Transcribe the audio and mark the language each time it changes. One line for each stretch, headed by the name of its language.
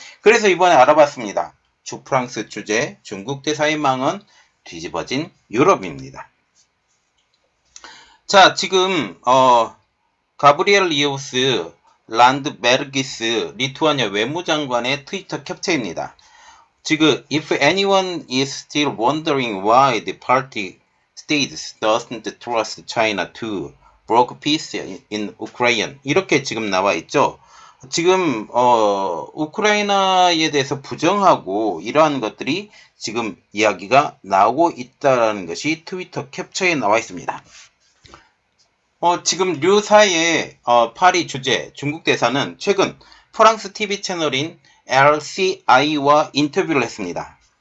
Korean: 그래서 이번에 알아봤습니다. 주프랑스 주재 중국 대사의 망언 뒤집어진 유럽입니다. 자, 지금 가브리엘 리우스 란드베르기스 리투아니아 외무장관의 트위터 캡처입니다. 지금
English: If anyone is still wondering why the party States doesn't trust China to broker peace in Ukraine.
Korean: 이렇게 지금 나와 있죠. 지금 우크라이나에 대해서 부정하고 이러한 것들이 지금 이야기가 나오고 있다는 것이 트위터 캡처에 나와 있습니다. 지금 류 사이의 파리 주재 중국 대사는 최근 프랑스 TV 채널인 RCI와 인터뷰를 했습니다.